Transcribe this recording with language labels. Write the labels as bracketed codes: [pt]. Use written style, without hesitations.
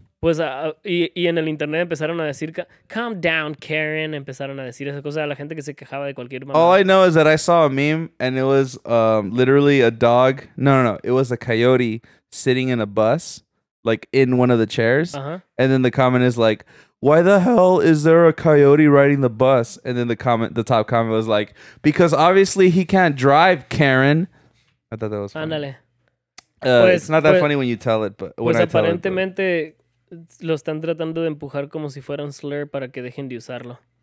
[es] Pues y en el internet empezaron a decir [en] calm down, Karen. [es] Empezaron a decir esa cosa a la gente que se quejaba de cualquier manera. [en] All I know is that I saw a meme and it was literally a dog. No. It was a coyote sitting in a bus, like in one of the chairs. Uh-huh. And then the comment is like, why the hell is there a coyote riding the bus? And then the top comment was like, because obviously he can't drive, Karen. I thought that was funny. [es] Ándale. [en] It's not that funny when you tell it, but when [es] pues [en] I tell it. [es] Pues aparentemente lo están tratando de empujar como si fuera un slur para que dejen de usarlo.